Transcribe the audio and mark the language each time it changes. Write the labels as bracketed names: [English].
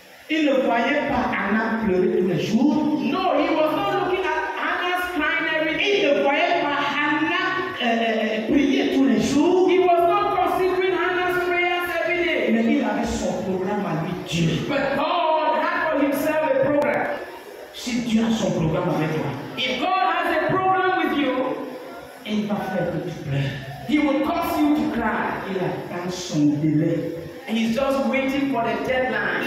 [French] Il ne voyait pas Anna pleurer tous les jours. [English] No, he was not looking at Anna's crying every day. [French] Il ne voyait pas Anna prier tous les jours. [English] He was not considering Anna's prayers every day. [French] Mais il avait son programme à lui, Dieu. [English] But God had for himself a program. [French] Si Dieu a son programme avec toi, [English] if God has a program with you, [French] il va faire que tu pleures. [English] He will cause you to cry. [French] Il attend son délai. [English] And he's just waiting for the deadline.